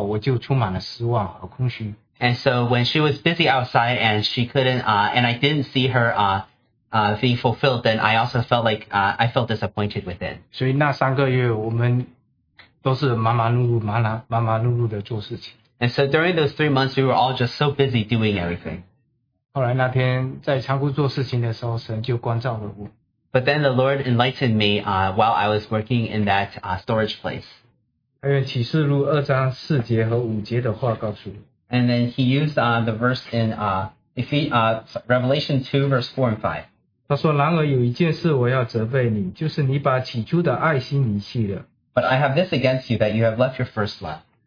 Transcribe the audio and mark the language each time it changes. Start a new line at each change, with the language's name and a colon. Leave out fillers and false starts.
Chinese: 她在外面忙的时候,得不到我里面得不到她所给我的那个期望的时候,我就充满了失望和空虚。
English: And so when she was busy outside and she couldn't, and I didn't see her be fulfilled, then I also felt like I felt disappointed with it.
Chinese: 所以那三个月我们都是忙忙碌碌的做事情。
English: And so during those 3 months, we were all just so busy doing everything.
Chinese: 后来那天在仓库做事情的时候, 神就光照了我。
English: But then the Lord enlightened me while I was working in that storage place.
Chinese: 还有启示录二章四节和五节的话告诉我。
English: And then he used the verse in Revelation 2, verse 4 and 5.
Chinese: 他说,然而有一件事我要责备你,就是你把起初的爱心离弃了。
English: But I have this against you, that you have left your first love.